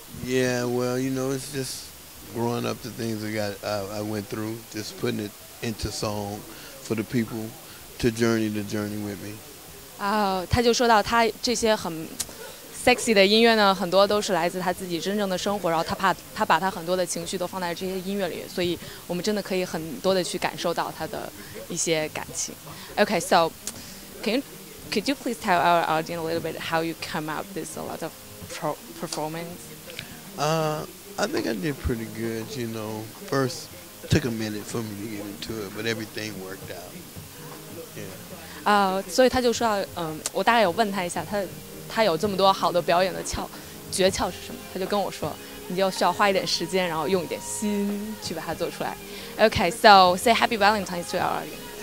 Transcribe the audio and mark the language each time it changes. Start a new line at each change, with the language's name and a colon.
English: Yeah, well, you know, it's just growing up, the things I went through, just putting it into song. For the people to journey with me.
Chinese: 他就说到他这些很 sexy 的音乐呢，很多都是来自他自己真正的生活，然后他把他很多的情绪都放在这些音乐里，所以我们真的可以很多的去感受到他的一些感情。
English: Okay, so could you please tell our audience a little bit how you come up this a lot of performance? I think I did pretty good, you know. First. Took a minute for me to get into it, but everything worked out. Yeah.
Chinese: 所以他就说，我大概有问他一下，他有这么多好的表演的诀窍是什么？他就跟我说，你就需要花一点时间，然后用一点心去把它做出来。
English: Okay, so say Happy Valentine's to our audience.